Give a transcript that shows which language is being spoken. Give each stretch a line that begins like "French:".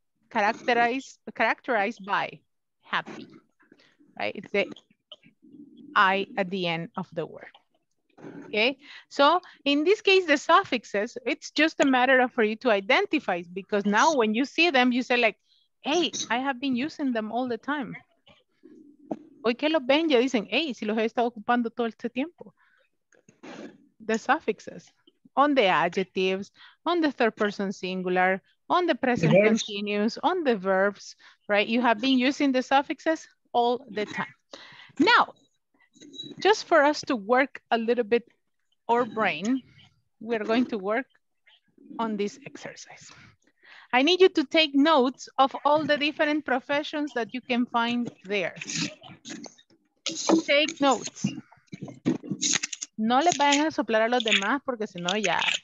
English: characterized by happy, right? It's the I at the end of the word. Okay, so in this case, the suffixes, it's just a matter of for you to identify, because now when you see them, you say like, hey, I have been using them all the time.
Spanish: Hoy que los ven, ya dicen, hey, si los he estado ocupando todo este tiempo.
English: The suffixes on the adjectives, on the third person singular, on the present continuous, on the verbs, right? You have been using the suffixes all the time. Now, just for us to work a little bit our brain, we're going to work on this exercise. I need you to take notes of all the different professions that you can find there. Take notes.
Spanish: No le vayan a soplar a los demás porque si no ya.